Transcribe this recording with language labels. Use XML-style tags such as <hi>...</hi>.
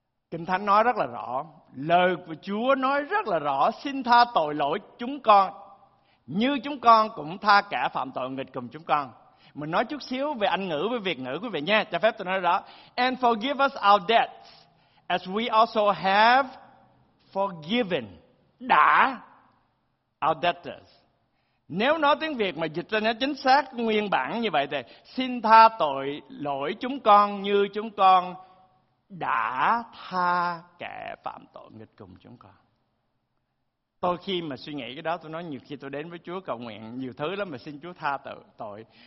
<vi>Kinh Thánh nói rất là rõ, lời của Chúa nói rất là rõ, xin tha tội lỗi chúng con, như chúng con cũng tha kẻ phạm tội nghịch cùng chúng con. Mình nói chút xíu về Anh ngữ với Việt ngữ quý vị nha, cho phép tôi nói rõ.</vi> <en>And forgive us our debts, as we also have forgiven,</en> <vi>đã,</vi> <en>our debtors.</en> <vi>Nếu nói tiếng Việt mà dịch ra nó chính xác nguyên bản như vậy thì xin tha tội lỗi chúng con như chúng con đã tha kẻ phạm tội nghịch cùng chúng con. Tôi khi mà suy nghĩ cái đó, tôi nói nhiều khi tôi đến với Chúa cầu nguyện nhiều thứ lắm mà xin Chúa tha tội.</vi>